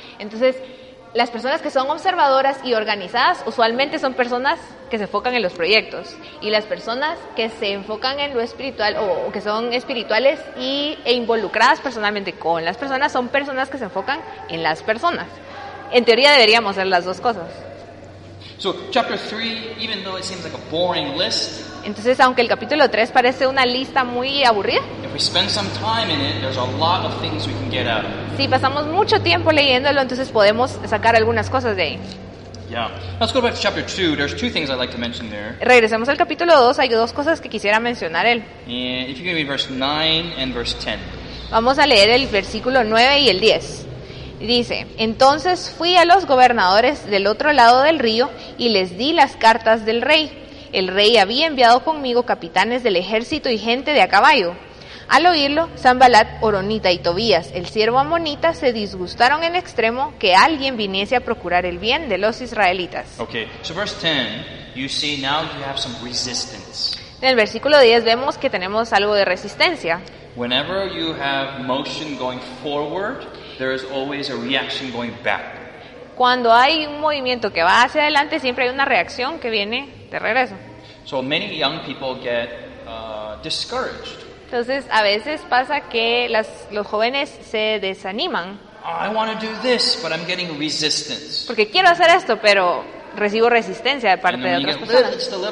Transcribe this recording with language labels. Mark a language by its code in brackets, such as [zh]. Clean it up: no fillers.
[es] Entonces las personas que son observadoras y organizadas usualmente son personas que se enfocan en los proyectos, y las personas que se enfocan en lo espiritual o que son espirituales e involucradas personalmente con las personas son personas que se enfocan en las personas. En teoría deberíamos hacer las dos cosas. [en] So chapter 3, even though it seems like a boring list. [es] Entonces, aunque el capítulo 3 parece una lista muy aburrida. [en] If we spend some time in it, there's a lot of things we can get out of. [es] Si pasamos mucho tiempo leyéndolo, entonces podemos sacar algunas cosas de ahí. [en] Yeah. Let's go back to chapter 2. There's two things I'd like to mention there. [es] Regresemos al capítulo 2, hay dos cosas que quisiera mencionar él. [en] If you can read verse 9 and verse 10. [es] Vamos a leer el versículo 9 y el 10. Dice, entonces fui a los gobernadores del otro lado del río y les di las cartas del rey. El rey había enviado conmigo capitanes del ejército y gente de a caballo. Al oírlo, Sanbalat, Oronita y Tobías, el siervo amonita, se disgustaron en extremo que alguien viniese a procurar el bien de los israelitas. [en] Okay, so verse 10, you see now you have some resistance. [es] En el versículo 10 vemos que tenemos algo de resistencia. [en] Whenever you have motion going forward, there is always a reaction going back. [es] Cuando hay un movimiento que va hacia adelante, siempre hay una reacción que viene de regreso. [en] So many young people get discouraged. [es] Entonces, a veces pasa que los jóvenes se desaniman. [en] I want to do this, but I'm getting resistance. [es] Porque quiero hacer esto, pero recibo resistencia de parte de otras personas.